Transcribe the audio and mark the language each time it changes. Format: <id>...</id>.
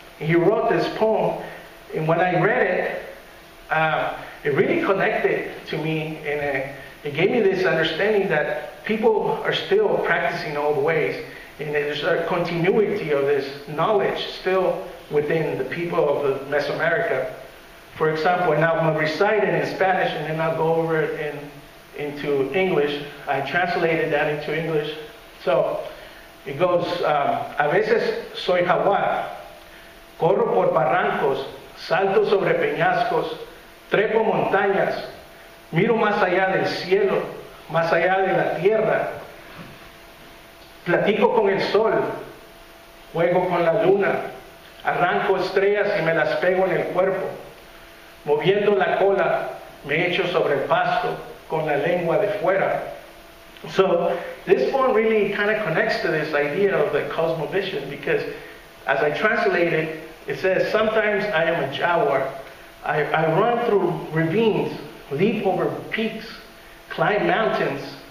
<en>He wrote this poem, and when I read it, it really connected to me, and it gave me this understanding that people are still practicing old ways. And there's a continuity of this knowledge still within the people of the Mesoamerica. For example, now I'm reciting in Spanish and then I'll go over it into English. I translated that into English. So it goes,</en> <es>a veces soy jaguar, corro por barrancos, salto sobre peñascos, trepo montañas, miro más allá del cielo, más allá de la tierra, platico con el sol, juego con la luna, arranco estrellas y me las pego en el cuerpo, moviendo la cola, me echo sobre el pasto, con la lengua de fuera.</es> <en>So this one really kind of connects to this idea of the cosmovision, because as I translate it, it says, sometimes I am a jaguar. I run through ravines, leap over peaks, climb mountains.</en>